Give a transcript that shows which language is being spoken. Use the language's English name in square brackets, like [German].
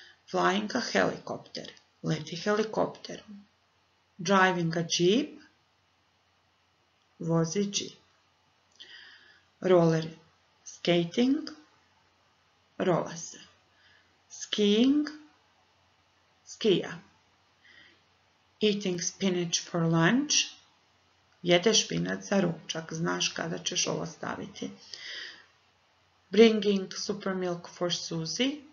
[English] Flying a helicopter. [Croatian] Leti helikopter. [English] Driving a jeep. [Croatian] Vozi jeep. [English] Roller skating. [Croatian] Rola se. [English] Skiing. [Croatian] Skija. [English] Eating spinach for lunch. [Croatian] Jede špinac za ručak. Znaš kada ćeš ovo staviti. [English] Bringing super milk for Suzy.